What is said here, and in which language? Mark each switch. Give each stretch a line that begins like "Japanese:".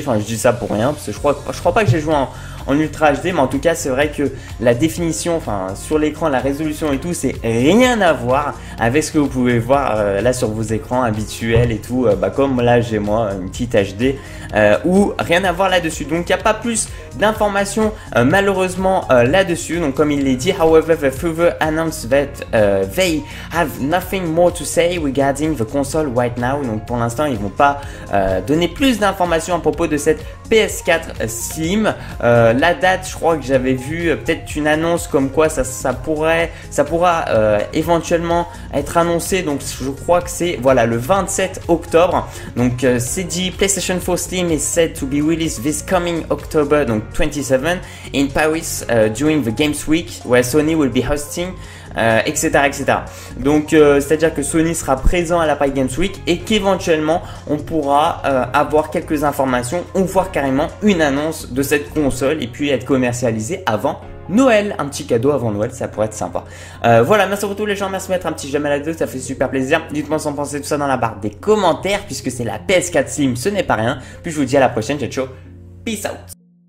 French: Enfin, je dis ça pour rien parce que je crois pas que j'ai joué en Ultra HD, mais en tout cas c'est vrai que la définition, enfin sur l'écran, la résolution et tout, c'est rien à voir avec ce que vous pouvez voir là sur vos écrans habituels et tout, bah comme là j'ai moi une petite HD ou rien à voir là dessus. Donc il y a pas plus d'informations malheureusement là dessus. Donc comme il l'est dit,
English: however the further announced that they have nothing more to say regarding the console right now.
French: Donc pour l'instant ils vont pas donner plus d'informations à propos de cette PS4 Slim. La date, je crois que j'avais vu peut-être une annonce comme quoi ça pourra éventuellement être annoncé. Donc je crois que c'est voilà le 27 octobre. Donc c'est dit
English: PlayStation 4 Slim is said to be released this coming October, donc 27, in Paris during the Games Week where Sony will be hosting.
French: Etc. Donc c'est à dire que Sony sera présent à la Paris Games Week et qu'éventuellement on pourra avoir quelques informations ou voir carrément une annonce de cette console et puis être commercialisée avant Noël, un petit cadeau avant Noël, ça pourrait être sympa. Voilà, merci pour tous les gens, merci de mettre un petit j'aime à la vidéo, ça fait super plaisir. Dites-moi ce que vous pensez tout ça dans la barre des commentaires puisque c'est la PS4 Slim, ce n'est pas rien. Puis je vous dis à la prochaine, ciao ciao,
English: peace out.